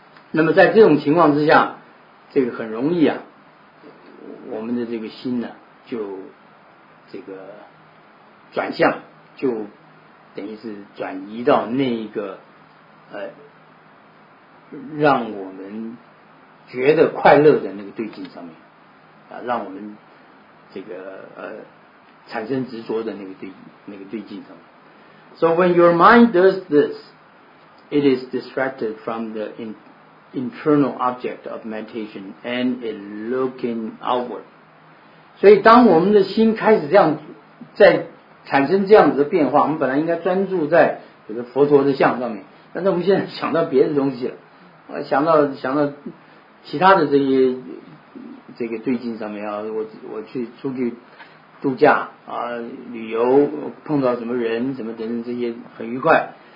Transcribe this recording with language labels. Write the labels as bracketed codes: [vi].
[zh] 那么在这种情况之下，这个很容易啊，我们的这个心呢、啊、就这个转向，就等于是转移到那一个让我们觉得快乐的那个对境上面啊，让我们这个产生执着的那个对境上面。 [en] So when your mind does this, it is distracted from the internal object of meditation and it looking outward. [zh] 所以当我们的心开始这样在产生这样子的变化，我们本来应该专注在这个佛陀的像上面，但是我们现在想到别的东西了，想到其他的这个对境上面啊，我去出去度假啊，旅游碰到什么人什么等等这些很愉快。